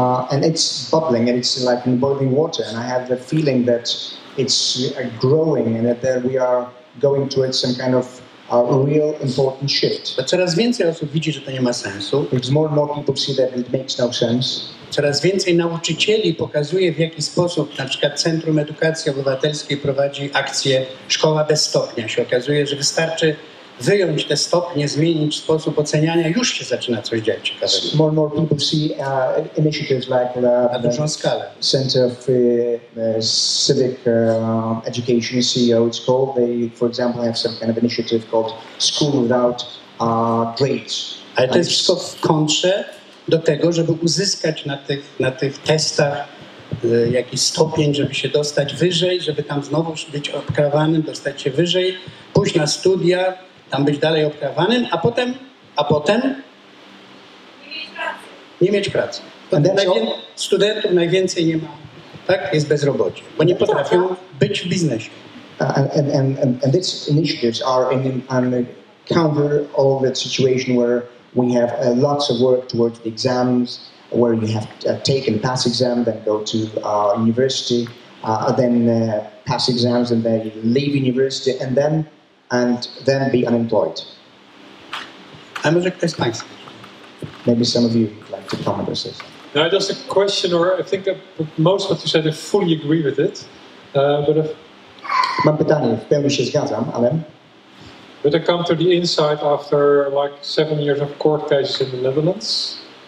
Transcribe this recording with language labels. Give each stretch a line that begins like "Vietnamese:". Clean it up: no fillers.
English: And it's bubbling, and it's like in boiling water, and I have the feeling that it's growing, and that we are going towards some kind of a real important shift.
Polish: Bo coraz więcej osób widzi, że to nie ma sensu.
English: Because more and more people see that it makes no sense.
Polish: Coraz więcej nauczycieli pokazuje, w jaki sposób na przykład Centrum Edukacji Obywatelskiej prowadzi akcję Szkoła bez stopnia. Się okazuje, że wystarczy wyjąć te stopnie, zmienić sposób oceniania, już się zaczyna coś dziać ciekawego.
English: More and more people see initiatives like the Center of Civic Education, CEO it's called. They, for example, have some kind of initiative called School Without Grades.
Polish: Ale to jest wszystko w kontrze do tego, żeby uzyskać na tych testach jakiś stopień, żeby się dostać wyżej, żeby tam znowu być obkrawanym, dostać się wyżej, pójść na studia, tam być dalej obkrawanym, a potem nie mieć pracy. Studentów najwięcej nie ma, tak? Jest bezrobocie, bo nie potrafią być w biznesie.
English: And these initiatives are in counter all that situation where we have lots of work towards the exams, where you have taken pass exam, then go to university, then pass exams, and then you leave university, and then be unemployed. I'm a request, thanks. Maybe some of you would like to comment on this. Now, just a question, or I think most of what you said, I fully agree with it.
Polish: Mam pytanie, w pełni się zgadzam, ale...
English: But I come to the insight after like 7 years of court cases in the Netherlands.